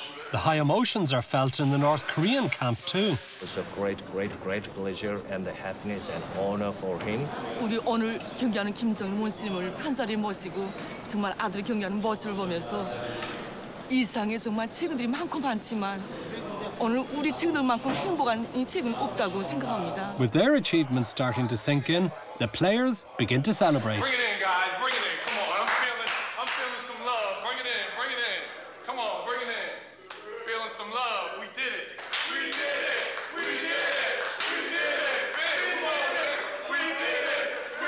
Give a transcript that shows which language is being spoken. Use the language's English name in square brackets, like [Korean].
[English] The high emotions are felt in the North Korean camp too. It's a great, great, great pleasure and the happiness and honor for him. [Korean] 우리 오늘 경기하는 김정은 원수님을 한 자리 모시고 정말 아들 경기하는 모습을 보면서 이 세상에 정말 친구들이 많고 많지만. [English] With their achievements starting to sink in, the players begin to celebrate. Bring it in, guys. Bring it in. Come on. I'm feeling some love. Bring it in. Bring it in. Come on. Bring it in. Feeling some love. We did it. We did it. We did it. We did it. We did it. We did it. We did it. We did it. We did it.